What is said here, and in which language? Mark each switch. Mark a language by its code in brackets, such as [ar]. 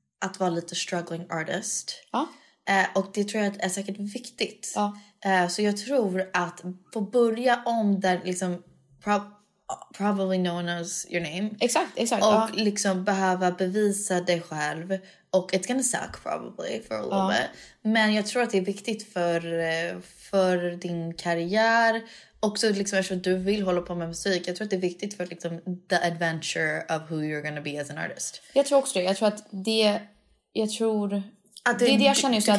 [sv] att vara lite [en] struggling artist. [sv] Ja. Och det tror jag är säkert viktigt. Ja. Så jag tror att få börja om där liksom [en] probably no one knows your name. [sv] Exakt, exakt. Och ja. Liksom behöva bevisa dig själv. Och [en] it's gonna suck probably for a little ja. Bit. [sv] Men jag tror att det är viktigt för din karriär. Också liksom eftersom du vill hålla på med musik. Jag tror att det är viktigt för liksom [en] the adventure of who you're gonna be as an artist. [sv] Jag tror också det. Jag tror att det jag känner just